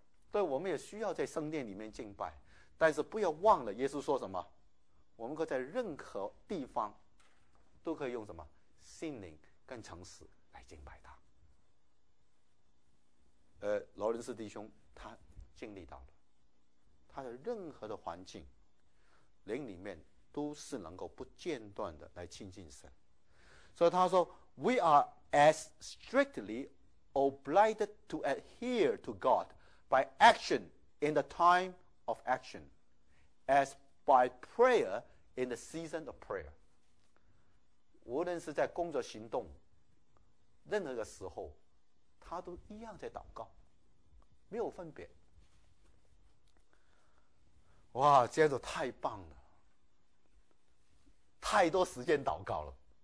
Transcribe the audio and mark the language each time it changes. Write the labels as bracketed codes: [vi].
[zh] 对，我们也需要在圣殿里面敬拜，但是不要忘了耶稣说什么，我们可以在任何地方都可以用什么心灵跟诚实来敬拜他。罗伦斯弟兄他经历到了，他的任何的环境灵里面都是能够不间断的来亲近神。所以他说 [en] We are as strictly obliged to adhere to God by action in the time of action as by prayer in the season of prayer。 [zh] 无论是在工作行动任何的时候，他都一样在祷告，没有分别。哇，这样子太棒了，太多时间祷告了。